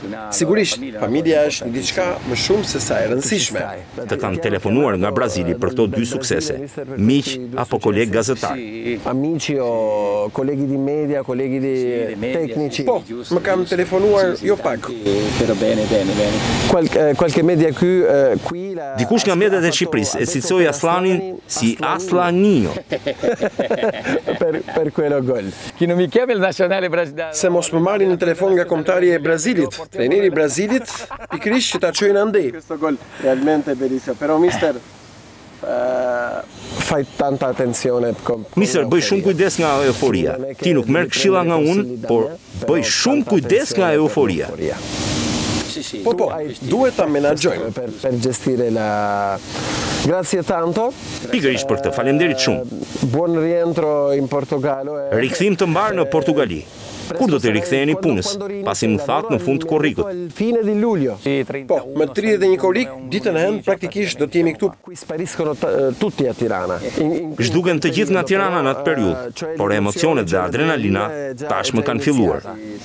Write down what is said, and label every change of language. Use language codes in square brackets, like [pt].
[sq] Sigurisht, familja është diçka më shumë se sa e rëndësishme. Të kanë telefonuar nga Brazili për këto dy suksese, miq apo koleg gazetar. [it] Amici o colleghi di media, colleghi di tecnici. [sq] Po, më kam telefonuar jo pak. [it] Però bene. Qualche media qui la [sq] dikush nga mediat e Shqipërisë e cilsoi Aslanin si Aslanio. [it] Per quello gol. Chi non mi chiama il nazionale brasiliano? [sq] Se mos më marrin në telefon nga kombëtari e Brazilit, trajneri i Brazilit, pikrisht që ta çojnë andej. [it] Questo gol realmente bellissimo, però mister fai tanta attenzione con [sq] Mister, bëj shumë kujdes nga euforia. Ti nuk merr këshilla nga unë, por bëj shumë kujdes nga euforia. Po, duhet ta menaxhojmë [it] per gestire la. Grazie tanto. [sq] Pikërisht për këtë. Faleminderit shumë. [it] Buon rientro in Portogallo. [sq] Rikthim të mbar në Portugali. Kur do të riktheheni punës? Pasi më that në fund të korrikut. [it] Fine di luglio. [sq] Po, me 31 korrik, ditën e hënë praktikisht do të jemi këtu. [it] Qui spariscono tutti a Tirana. [sq] Zhduken të gjithë nga Tirana në atë periudhë, por emocionet dhe adrenalina tashmë kanë filluar.